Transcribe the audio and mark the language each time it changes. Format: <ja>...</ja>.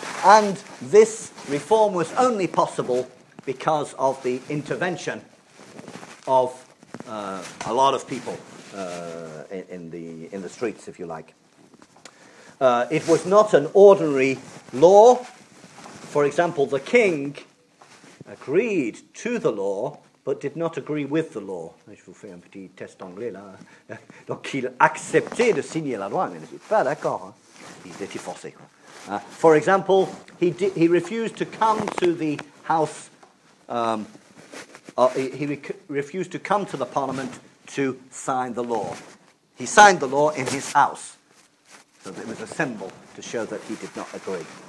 <en>And this reform was only possible because of the intervention of a lot of people in the streets, if you like. It was not an ordinary law. For example, the king agreed to the law, but did not agree with the law.</en> <fr>Je vous fais un petit test anglais là. Donc il acceptait de signer la loi, mais il n'était pas d'accord. Il était forcé.</fr> <en>For example, he refused to come to the house. He refused to come to the parliament to sign the law. He signed the law in his house, so it was a symbol to show that he did not agree.</en>